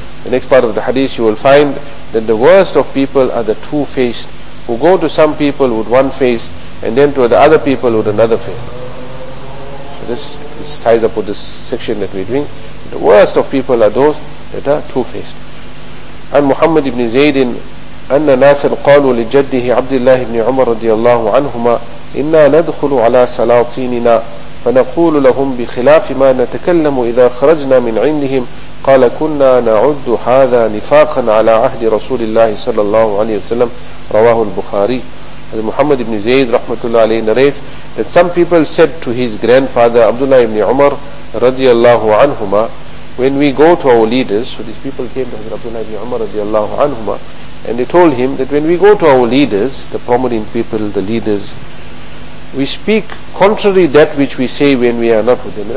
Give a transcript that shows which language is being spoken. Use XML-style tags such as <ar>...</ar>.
<en>The next part of the hadith, you will find that the worst of people are the two-faced, who go to some people with one face and then to the other people with another face. So this ties up with this section that we're doing. The worst of people are those that are two-faced.</en> <ar>عن محمد بن زيد أن ناسا قالوا لجده عبد الله بن عمر رضي الله عنهما إنا ندخل على سلاطيننا فنقول لهم بخلاف ما نتكلم إذا خرجنا من عندهم قال كنا نعد هذا نفاقا على عهد رسول الله صلى الله عليه وسلم رواه البخاري.</ar> <en>And محمد بن زيد</en> <ar>رحمة الله عليه</ar> <en>narrates that some people said to his grandfather Abdullah ibn Umar</en> <ar>رضي الله عنهما,</ar> <en>when we go to our leaders, so these people came to Hazrat Abdullah ibn Umar radiallahu anhuma, and they told him that when we go to our leaders, the prominent people, the leaders, we speak contrary that which we say when we are not with them.</en>